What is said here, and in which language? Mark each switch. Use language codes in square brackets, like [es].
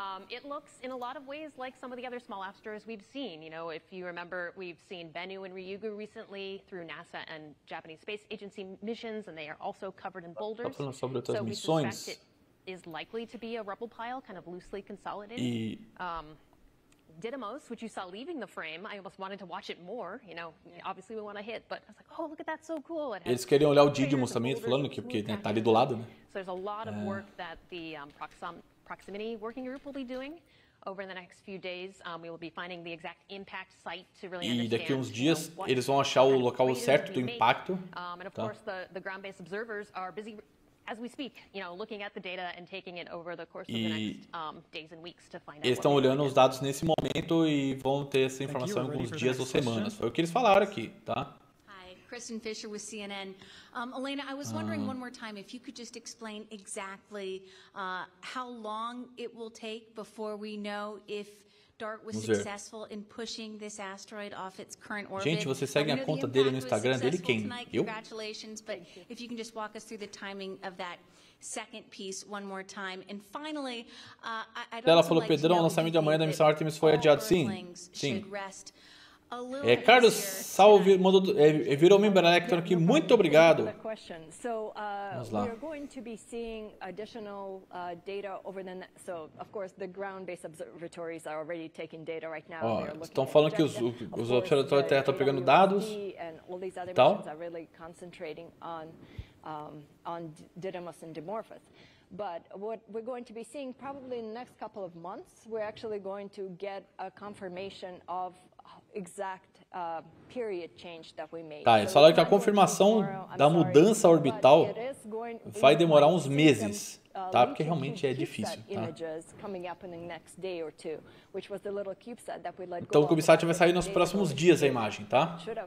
[en] It looks in a lot of ways like some of the other small asteroids we've seen, you know, if you remember, we've seen Bennu and Ryugu recently through NASA and Japanese Space Agency missions, and they are also covered in boulders. [pt] Tá falando sobre outras missões. [en] So it is likely to be a rubble pile kind of loosely consolidated. Didymos, which you saw leaving the frame, I almost wanted to watch it more, you know, obviously we want to hit, but I was like, oh, look at that, so cool. [pt] Eles queriam olhar o Didymos também, falando que porque tá ali do lado, né? [en] So there's a lot of work that the proximity working group will be doing over the next few days. We will be finding the exact impact site to really understand. [pt] E daqui uns dias eles vão achar o local certo do impacto. [en] And of course the ground based observers are busy as we speak, you know, looking at the data and taking it over the course of the next days and weeks to find out. [pt] Eles estão olhando os dados nesse momento e vão ter essa informação em alguns dias ou semanas. Foi o que eles falaram aqui, tá? [en] Hi, Kristen Fisher with CNN. Elena, I was wondering one more time if you could just explain exactly how long it will take before we know if DART was successful in pushing this asteroid off its current orbit. [pt] Gente, vocês seguem a conta dele no Instagram? Dele quem? Eu? [en] Congratulations, but if you can just walk us through the timing of that second piece one more time. And finally, [pt] ela falou, Pedrão, o lançamento de amanhã da missão Artemis foi adiado. Sim. Carlos, salve, virou membro eletrônico aqui. Muito obrigado. Vamos lá. [en] We're going to be seeing additional data over the so of course the ground based observatories are already taking data right now. [pt] Estão falando que os observatórios da Terra estão pegando dados. [en] And all these other missions are really concentrating on on Didymus and Dimorphos. But what we're going to be seeing probably in the next couple of months, we're actually going to get a confirmation of exact period change that we made. [pt] Tá, eles falaram que a confirmação da mudança orbital vai demorar uns meses, tá? Porque realmente é difícil, tá? Então o CubeSat vai sair nos próximos dias a imagem, tá?